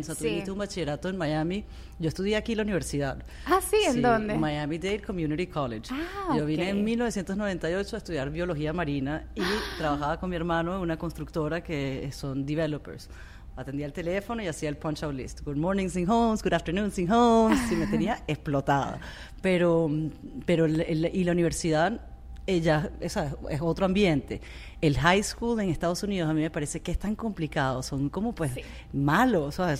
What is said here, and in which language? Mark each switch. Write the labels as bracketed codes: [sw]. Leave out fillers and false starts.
[es] O sea, tú hiciste un bachillerato en Miami. Yo estudié aquí en la universidad. Ah, ¿sí? ¿En dónde? Miami-Dade Community College. Ah, yo vine en 1998 a estudiar biología marina y trabajaba con mi hermano en una constructora que son developers. Atendía el teléfono y hacía el punch-out list. [en] Good morning, sing homes. Good afternoon, sing homes. [es] Y me tenía explotada. Pero y la universidad, esa es otro ambiente. El high school en Estados Unidos a mí me parece que es tan complicado. Son como, pues, malos, ¿sabes?